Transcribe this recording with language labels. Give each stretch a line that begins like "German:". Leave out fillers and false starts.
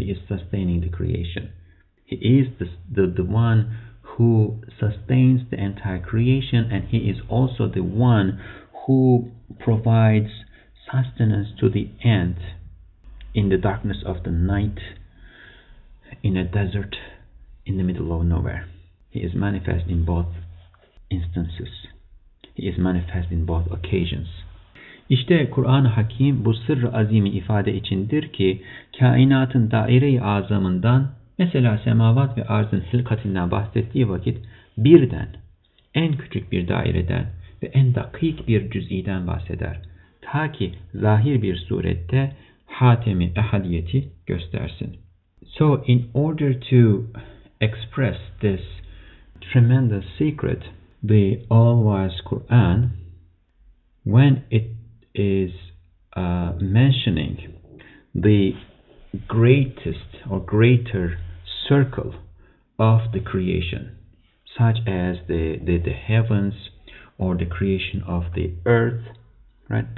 English: He is sustaining the creation. He is the one who sustains the entire creation, and he is also the one who provides sustenance to the ant in the darkness of the night, in a desert, in the middle of nowhere. He is manifest in both instances. He is manifest in both occasions.
Turkish: İşte Kur'an-ı Hakim bu sırr-ı azimi ifade içindir ki, kainatın daire-i azamından, mesela semavat ve arzın hilkatinden bahsettiği vakit birden, en küçük bir daireden ve en dakik bir cüz'iden bahseder. Ta ki zahir bir surette hatemi ehadiyeti göstersin.
English: So in order to express this tremendous secret, the All-Wise Quran, when it is mentioning the greatest or greater circle of the creation, such as the heavens or the creation of the earth, right?